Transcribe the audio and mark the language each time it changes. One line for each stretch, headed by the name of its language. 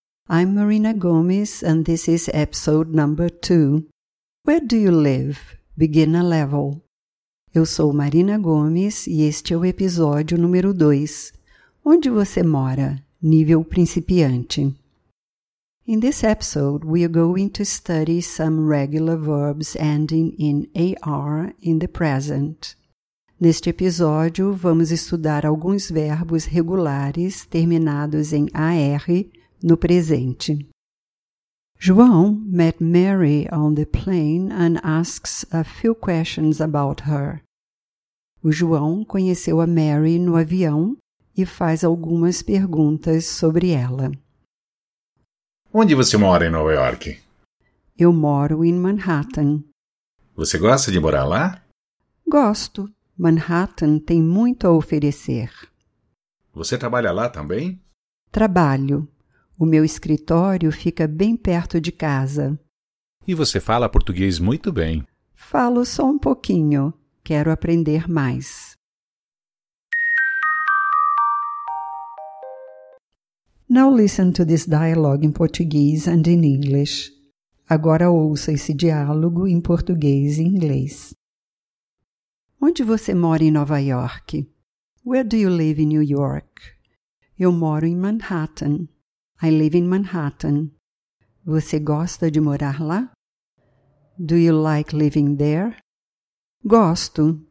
English: I'm Marina Gomes and this is episode number 2. Where do you live? Beginner level.
Portuguese: Eu sou Marina Gomes e este é o episódio número 2. Onde você mora? Nível principiante.
English: In this episode, we are going to study some regular verbs ending in AR in the present.
Portuguese: Neste episódio, vamos estudar alguns verbos regulares terminados em AR no presente.
English: João met Mary on the plane and asks a few questions about her.
Portuguese: O João conheceu a Mary no avião e faz algumas perguntas sobre ela. Onde você mora em Nova York? Eu moro em Manhattan. Você gosta de morar lá? Gosto. Manhattan tem muito a oferecer. Você trabalha lá também? Trabalho. O meu escritório fica bem perto de casa. E você fala português muito bem. Falo só um pouquinho. Quero aprender mais.
English: Now listen to this dialogue in Portuguese and in English.
Portuguese: Agora ouça esse diálogo em português e inglês.
English: Onde você mora em Nova York? Where do you live in New York?
Portuguese: Eu moro em Manhattan. I live in Manhattan. Você gosta de morar lá? Do you like living there? Gosto.